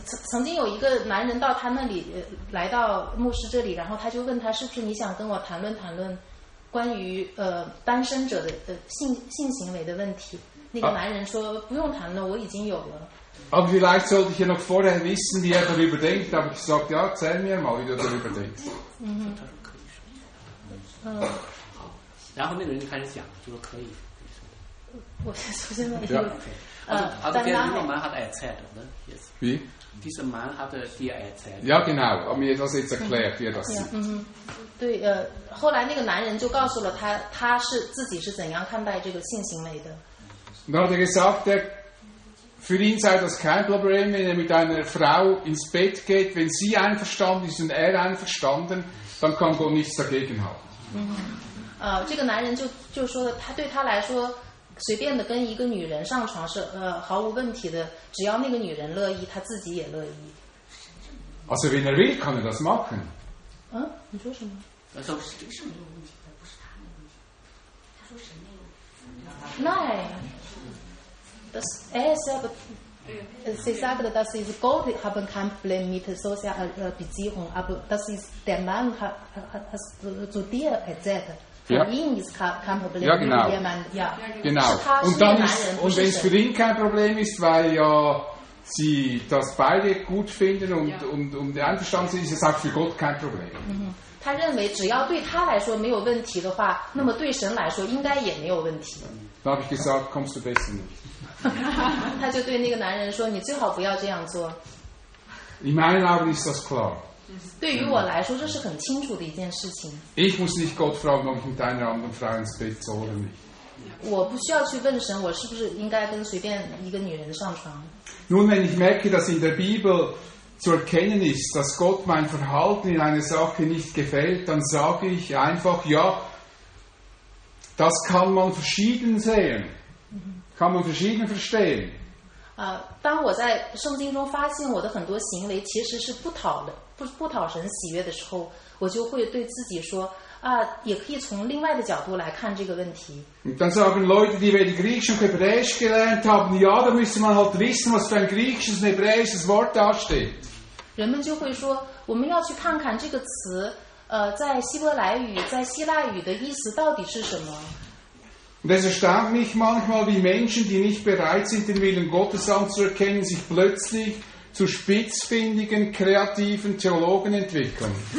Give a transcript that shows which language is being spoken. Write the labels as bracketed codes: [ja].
[zh] 曾经有一个男人到他那里，来到牧师这里，然后他就问他，是不是你想跟我谈论谈论关于单身者的性行为的问题？那个男人说，不用谈论，我已经有了。 [de] Aber vielleicht sollte ich ja noch vorher wissen, wie er darüber denkt. Aber ich sagte, ja, erzähl mir mal, wie du darüber denkst. [zh] 然后那个人就开始讲，就说可以。我首先问 [de] 就Also dieser Mann hat erzählt, oder? Wie? Dieser Mann hat dir erzählt. Ja, genau. Mir das jetzt erklärt, wie er das sieht. [zh] 对，后来那个男人就告诉了他，他是自己是怎样看待这个性行为的。 [de] Dann hat er gesagt, für ihn sei das kein Problem, wenn er mit einer Frau ins Bett geht, wenn sie einverstanden ist und er einverstanden, dann kann Gott nichts dagegen haben. [zh] 这个男人就说了，他对他来说。随便的跟一个女人上床是毫无问题的，只要那个女人乐意，他自己也乐意。 [de] Also wenn er will, kann er das machen. [zh] 你说什么？他说是没有问题，不是他没有问题。他说神没有。 [de] Nein. Das er selbst. Sie sagte, das ist Gott, haben kein Problem mit solcher Beziehung, aber das ist der Mann hat zu dir erzählt. Ja. Für ihn ist kein Problem. Ja, genau. Ja. Genau. Und wenn es für ihn kein Problem ist, weil ja sie das beide gut finden und, ja. und einverstanden sind, ist es auch für Gott kein Problem. Er denkt, wenn es für ihn kein Problem ist, dann ist es für Gott kein Problem. Da habe ich gesagt, kommst du besser nicht. Er hat den Mann gesagt, du sollst nicht so machen. In meinen Augen ist das klar. [zh] 对于我来说，这是很清楚的一件事情。 [de] Ich muss nicht Gott fragen, ob ich mit einer anderen Frau ins Bett soll oder nicht. [zh] 我不需要去问神，我是不是应该跟随便一个女人上床。 [de] Nun, wenn ich merke, dass in der Bibel zu erkennen ist, dass Gott mein Verhalten in einer Sache nicht gefällt, dann sage ich einfach, ja, das kann man verschieden sehen, kann man verschieden verstehen. [zh] 当我在圣经中发现我的很多行为其实是不讨神喜悦的时候，我就会对自己说啊，也可以从另外的角度来看这个问题。 [de] Dann sagen Leute, die weder Griechisch noch Hebräisch gelernt haben, ja, da müsste man halt wissen, was für ein griechisches, hebräisches Wort da steht. [zh] 人们就会说，我们要去看看这个词，在希伯来语、在希腊语的意思到底是什么。 [de] Und es erstaunt mich manchmal, wie Menschen, die nicht bereit sind, den Willen Gottes anzuerkennen, sich plötzlich zu spitzfindigen, kreativen Theologen entwickeln.